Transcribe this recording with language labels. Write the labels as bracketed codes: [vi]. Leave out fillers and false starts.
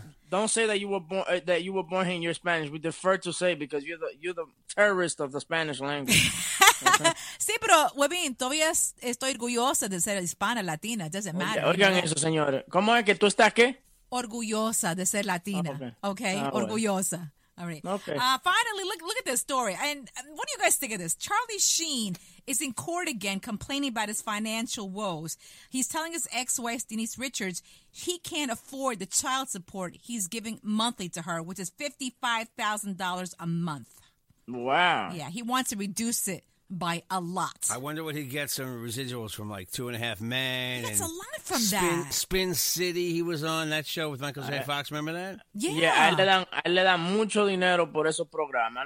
[en] Don't say that you were born here and you're Spanish. We defer to say because you're the terrorist of the Spanish language. [es] Sí, pero, Webin, todavía estoy orgullosa de ser hispana, latina. [en] Doesn't matter. [es] Oigan eso, señores. ¿Cómo es que tú estás qué? Orgullosa de ser latina. Orgullosa. [en] All right. Okay. Finally, look at this story. And what do you guys think of this? Charlie Sheen is in court again complaining about his financial woes. He's telling his ex-wife, Denise Richards, he can't afford the child support he's giving monthly to her, which is $55,000 a month. Wow. Yeah, he wants to reduce it by a lot. I wonder what he gets some residuals from, like Two and a Half Men. That's a lot from that. Spin City, he was on that show with Michael J. Fox. Remember that? Yeah. [es] Él le dan mucho dinero por esos programas.